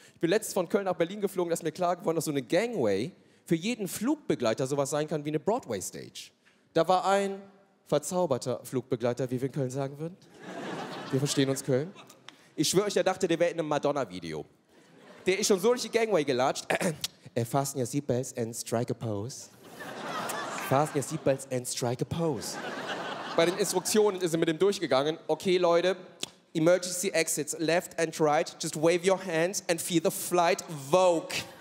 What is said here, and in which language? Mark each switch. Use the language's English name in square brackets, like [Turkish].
[German] Ich bin letztens von Köln nach Berlin geflogen, da ist mir klar geworden, dass so eine Gangway für jeden Flugbegleiter sowas sein kann wie eine Broadway-Stage. Da war ein verzauberter Flugbegleiter, wie wir in Köln sagen würden. Wir verstehen uns, Köln. Ich schwöre euch, der dachte, der wäre in einem Madonna-Video. Der ist schon so durch die Gangway gelatscht. [English] Fasten your seatbelts and strike a pose. Fasten your seatbelts and strike a pose. [German] Bei den Instruktionen ist er mit ihm durchgegangen. [English] Okay, [German] Leute, [English] emergency exits, left and right. Just wave your hands and feel the flight Vogue.